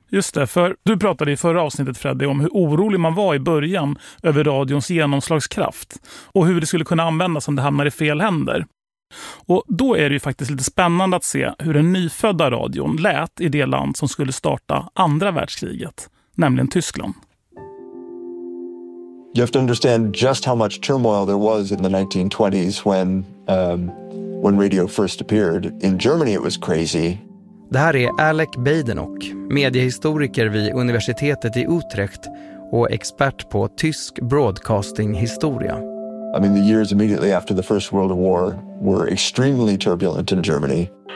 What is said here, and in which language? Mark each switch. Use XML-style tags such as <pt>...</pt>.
<sv>Just det, för du pratade i förra avsnittet, Freddy, om hur orolig man var i början över radions genomslagskraft och hur det skulle kunna användas om det hamnar i fel händer. Och då är det ju faktiskt lite spännande att se hur den nyfödda radion lät i det land som skulle starta andra världskriget, nämligen Tyskland.</sv> <en>You have to understand just how much turmoil there was in the 1920s when radio first appeared. In Germany it was crazy.</en> <sv>Det här är Alec Badenoch, mediehistoriker vid universitetet i Utrecht och expert på tysk broadcasting-historia.</sv> <en>I mean, the years immediately after the First World War were extremely turbulent in Germany.</en>